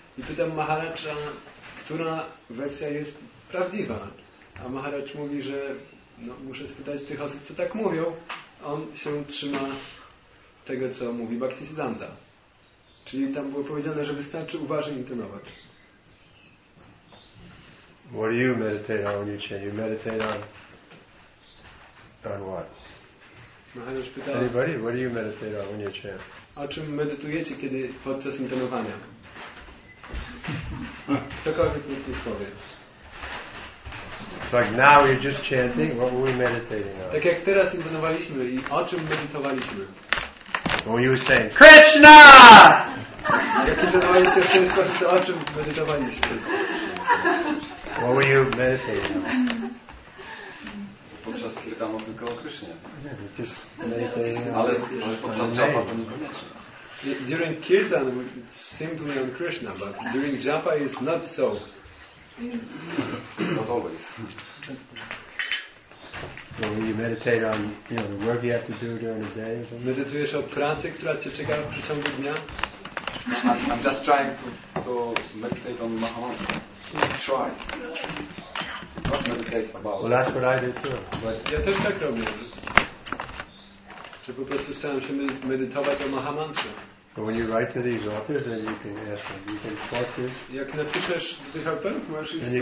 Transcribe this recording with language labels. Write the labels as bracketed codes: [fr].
[pl] I pytam Maharadża, która wersja jest prawdziwa. A Maharadż mówi, że muszę spytać tych osób, co tak mówią. On się trzyma tego, co mówi Bhaktisiddhanta. Czyli tam było powiedziane, że wystarczy uważnie intonować. [en] What do you meditate on when you chant? You meditate on what? [pl] Maharadż pyta, [en] anybody, what do you meditate on when you chant? [pl] O czym medytujecie, kiedy podczas intonowania? Ktokolwiek nikt nie powie. [en] Like now you're just chanting, what were we meditating on? [pl] Tak jak teraz intonowaliśmy i o czym medytowaliśmy? [en] When you were saying, Krishna! [pl] Jak intonowaliście w ten sposób, to o czym medytowaliście? [en] What were you meditating on? [pl] Podczas kirtanu tylko o Krishnie. [en] Yeah, just meditating on. [pl] Ale podczas japa to niekoniecznie. [en] During kirtan, simply on Krishna, but during japa, it's not so. Not always. So you meditate on, the work you have to do during the day. [pl] Medytujesz o pracy, która cię czeka w przeciągu dnia? [en] I'm just trying to meditate on Mahamantra. Try. Not meditate about. Well, that's what I do too. But [pl] ja też tak robię. Że po prostu staram się medytować o Mahamantrze. [en] But when you write to these authors, then you can ask them. You can talk to. [pl] Jak napiszesz do tych autorów, możesz ich spytać.